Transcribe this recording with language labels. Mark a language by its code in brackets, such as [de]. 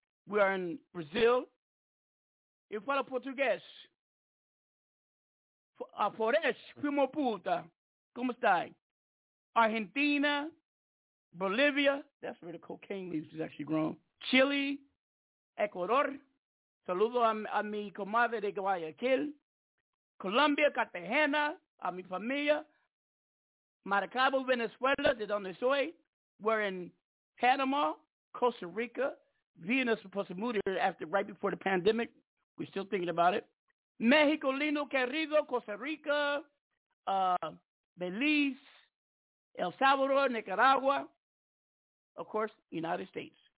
[en] We are in Brazil. [pt] Eu falo português. A Flores, filho da puta. Como está? Argentina, Bolivia. [en] That's where the cocaine leaves is actually grown. [es] Chile, Ecuador. Saludo a mi comadre de Guayaquil. Colombia, Cartagena, a mi familia. Maracaibo, Venezuela, de donde soy. [en] We're in Panama, Costa Rica. Vienna's supposed to move here after right before the pandemic. We're still thinking about it. Mexico, [es] lindo, querido, [en] Costa Rica, Belize, El Salvador, Nicaragua, of course, United States.